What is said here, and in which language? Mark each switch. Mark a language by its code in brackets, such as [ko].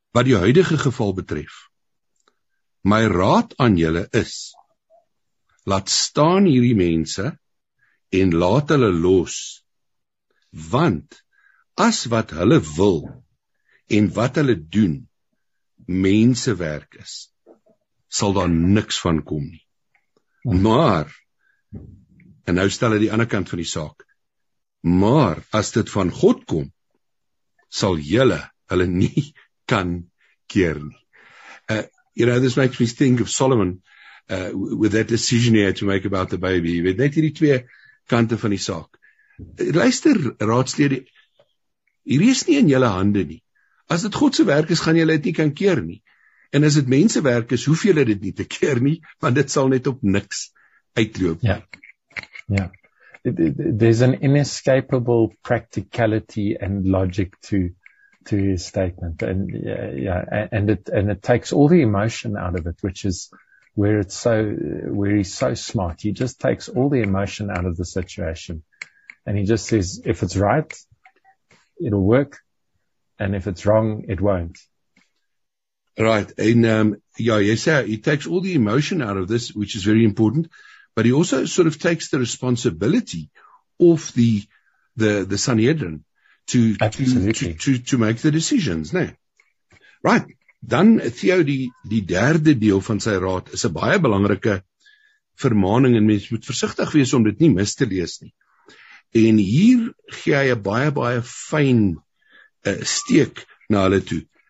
[af] Wat die huidige geval betref, my raad aan julle is, laat staan hierdie mense en laat hulle los, want as wat hulle wil en wat hulle doen, mensewerk is, sal daar niks van kom nie. Maar, en nou stel hy die ander kant van die saak, maar as dit van God kom, sal julle hulle nie kan keer nie. [en] You know, this makes me think of Solomon with that decision he had to make about the baby. [af] Jy weet, net hierdie twee kante van die saak. Luister, raadslede, hier is nie in julle hande nie. As dit God se werk is, gaan julle dit nie kan keer nie. En as dit mense werk is, hoef julle dit nie te keer nie, want dit sal net op niks uitloop. Ja, ja. [en] There's an inescapable practicality and logic to his statement, and it takes all the emotion out of it, which is where it's so where he's so smart. He just takes all the emotion out of the situation, and he just says, if it's right, it'll work, and if it's wrong, it won't. Right, and he takes all the emotion out of this, which is very important. But he also sort of takes the responsibility off the Sanhedrin to make the decisions, né? Right. [af] Dan Theo die derde deel van sy raad is 'n baie belangrike vermaning, en mens moet versigtig wees om dit nie mis te lees nie. En hier gee hy 'n baie baie fyn steek na hulle toe.